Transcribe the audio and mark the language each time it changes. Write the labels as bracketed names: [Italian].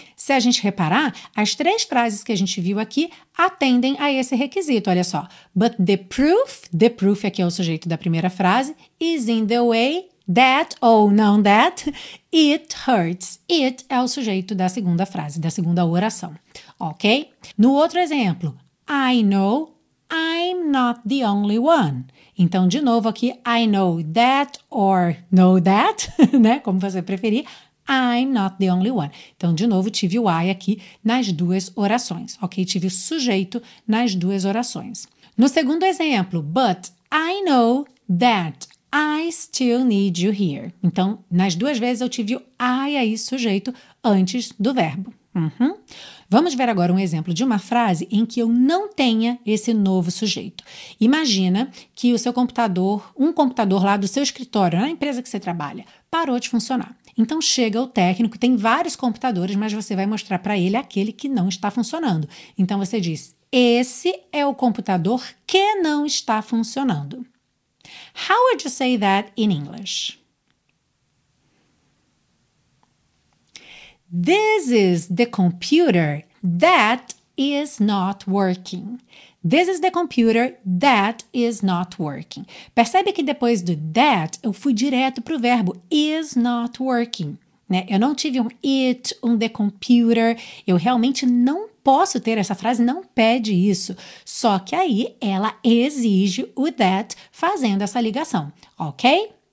[Portuguese] Se a gente reparar, as três frases que a gente viu aqui atendem a esse requisito, olha só. [English] But the proof [Portuguese] aqui é o sujeito da primeira frase, [English] is in the way that [Portuguese] ou não [English] that, it hurts. [Portuguese] It é o sujeito da segunda frase, da segunda oração. Ok? No outro exemplo, [English] I know I'm not the only one. [Portuguese] Então, de novo aqui, [English] I know that or know that, né? [Portuguese] Como você preferir, [English] I'm not the only one. [Portuguese] Então, de novo, tive o I aqui nas duas orações, ok? Tive o sujeito nas duas orações. No segundo exemplo, [English] but I know that I still need you here. [Portuguese] Então, nas duas vezes eu tive o I aí sujeito antes do verbo. Uhum. Vamos ver agora um exemplo de uma frase em que eu não tenha esse novo sujeito. Imagina que o seu computador, um computador lá do seu escritório, na empresa que você trabalha, parou de funcionar. Então chega o técnico, tem vários computadores, mas você vai mostrar para ele aquele que não está funcionando. Então você diz, esse é o computador que não está funcionando. [English] How would you say that in English? This is the computer that is not working. This is the computer that is not working. [Portuguese] Percebe que depois do that, eu fui direto para o verbo [English] is not working. [Portuguese] Né? Eu não tive um it, um the computer. Eu realmente não posso ter essa frase, não pede isso. Só que aí ela exige o that fazendo essa ligação, ok?